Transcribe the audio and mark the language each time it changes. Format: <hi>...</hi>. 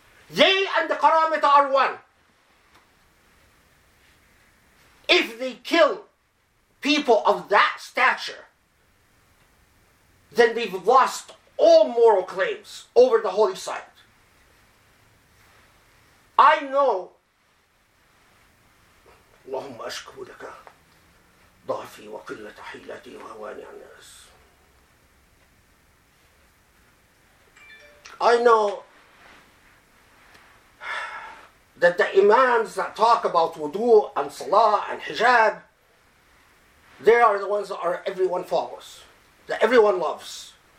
<en>They and the Karamita are one. If they kill people of that stature, then they've lost all moral claims over the holy site. I know,</en> <ar>اللهم أشكو لك ضعفي وقلة حيلتي وهواني عن الناس.</ar> <en>I know that the imams that talk about wudu and salah and hijab, they are the ones that everyone follows, that everyone loves.</en>